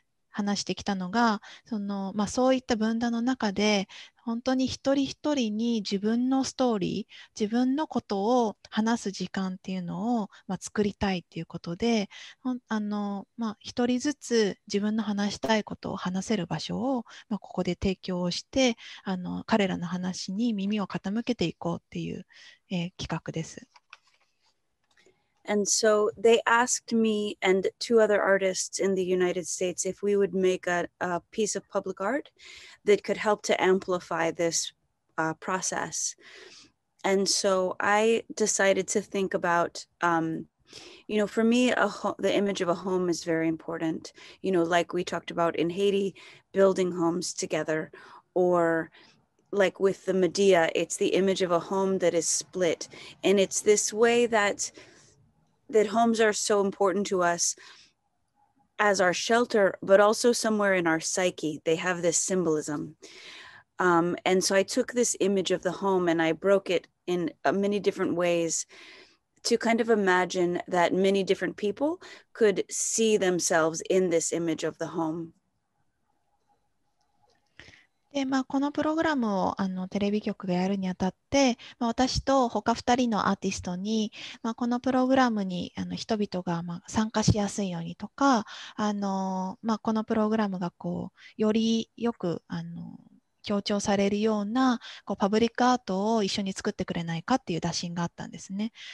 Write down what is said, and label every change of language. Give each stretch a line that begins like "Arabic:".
Japanese: 話してきたのが、 その、まあ、そういった分断の中で本当に一人一人に自分のストーリー、自分のことを話す時間っていうのを、まあ、作りたいということで、あの、まあ、一人ずつ自分の話したいことを話せる場所を、まあ、ここで提供してあの彼らの話に耳を傾けていこうっていう、企画です。
English: And so they asked me and two other artists in the United States if we would make a piece of public art that could help to amplify this process. And so I decided to think about, you know, for me, the image of a home is very important. You know, like we talked about in Haiti, building homes together, or like with the Medea, it's the image of a home that is split. And it's this way that homes are so important to us as our shelter, but also somewhere in our psyche. They have this symbolism. And so I took this image of the home and I broke it in many different ways to kind of imagine that many different people could see themselves in this image of the home.
Japanese: でまあ、このプログラムをあのテレビ局がやるにあたって、まあ、私と他2人のアーティストに、まあ、このプログラムにあの人々がまあ参加しやすいようにとか、あの、まあ、このプログラムがこうよりよくあの強調されるようなこうパブリックアートを一緒に作ってくれないかっていう打診があったんですね。